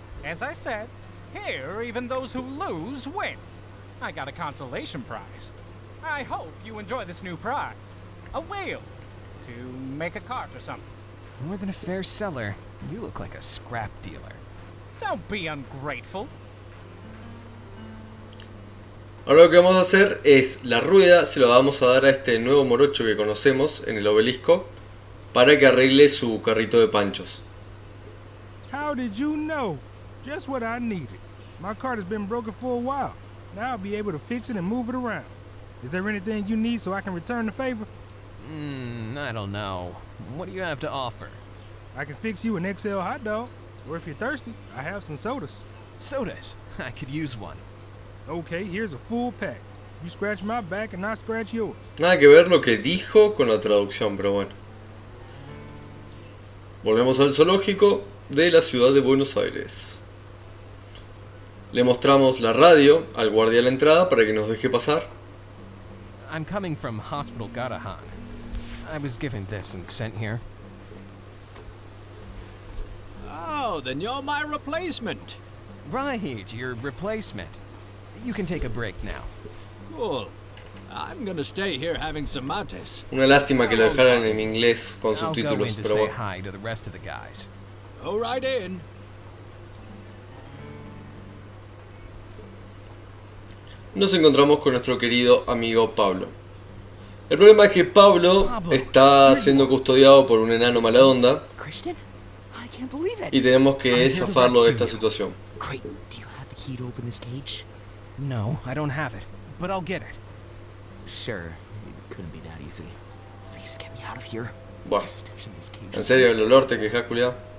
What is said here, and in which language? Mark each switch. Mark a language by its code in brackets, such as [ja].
[en] As I said, here even those who lose win. I got a consolation prize. I hope you enjoy this new prize. A wheel! To make a cart or something. More than a fair seller, you look like a scrap dealer. Don't be ungrateful! [es] Ahora lo que vamos a hacer es, la rueda se la vamos a dar a este nuevo morocho que conocemos en el obelisco para que arregle su carrito de panchos. [en] How did you know? Just what I needed. My cart has been broken for a while. Now I'll be able to fix it and move it around. Is there anything you need so I can return the favor? I don't know. What do you have to offer? I can fix you an XL hot dog. Or if you're thirsty, I have some sodas. Sodas? I could use one. Okay, here's a full pack. You scratch my back and I scratch yours. [es] Nada que ver lo que dijo con la traducción, pero bueno. Volvemos al zoológico de la ciudad de Buenos Aires. Le mostramos la radio al guardia de la entrada para que nos deje pasar. [en] I'm coming from Hospital Garahan. I was given this and sent here. Oh, then you're my replacement. Right, your replacement. You can take a break now. Cool. I'm gonna stay here having some mates. [es] Una lástima que lo dejaran en inglés con subtítulos, pero bueno. [en] Go in to say hi to the rest of the guys. Go right in. [es] Nos encontramos con nuestro querido amigo Pablo. El problema es que Pablo está siendo custodiado por un enano mala onda. [en] Christian? I can't believe it. [es] Y tenemos que zafarlo de esta situación. [en] Great. Do you have the key to open this cage? No, I don't have it, but I'll get it. Sure, it couldn't be that easy. Please get me out of here. [es] Buah, en serio, el olor te queja, culiao.